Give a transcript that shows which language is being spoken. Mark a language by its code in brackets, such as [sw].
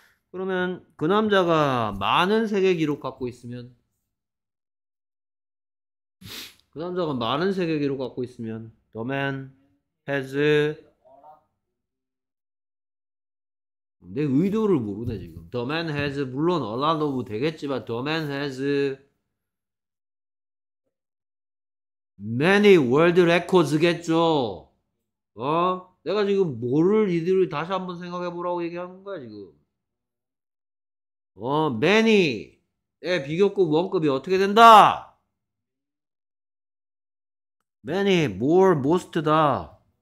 [ko] 그러면 그 남자가 많은 세계 기록 갖고 있으면 그 남자가 많은 세계 기록 갖고 있으면 [en] The man has [ko] 내 의도를 모르네 지금. [en] The man has [ko] 물론 [en] a lot of [ko] 되겠지만 [en] The man has many world records겠죠. [ko] 어? 내가 지금 뭐를 이들을 다시 한번 생각해보라고 얘기하는 거야 지금. 어? many의 비교급 원급이 어떻게 된다? [en] many, more, most다.